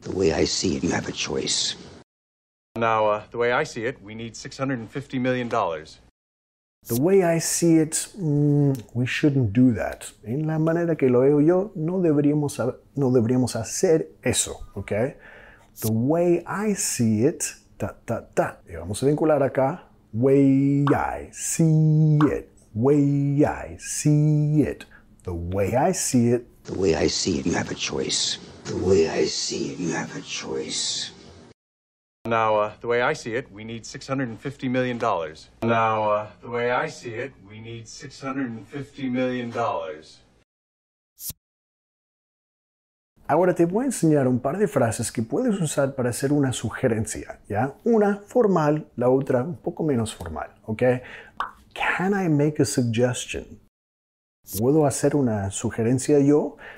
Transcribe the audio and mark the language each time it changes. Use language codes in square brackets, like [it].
[en] The way I see it, you have a choice. Now, the way I see it, we need $650 million. The way I see it, we shouldn't do that. [es] En la manera que lo veo yo, no deberíamos hacer eso, ¿ok? [en] The way I see it, ta, ta, ta. [es] Y vamos a vincular acá, [en] way I see it, way I see it. The way I see it. The way I see it, you have a choice. The way I see it, you have a choice. Now, the way I see it, we need $650 million. Now, the way I see it, we need $650 million. [es] Ahora te voy a enseñar un par de frases que puedes usar para hacer una sugerencia, ¿ya? Una formal, la otra un poco menos formal, ¿ok? [en] Can I make a suggestion? [es] ¿Puedo hacer una sugerencia yo?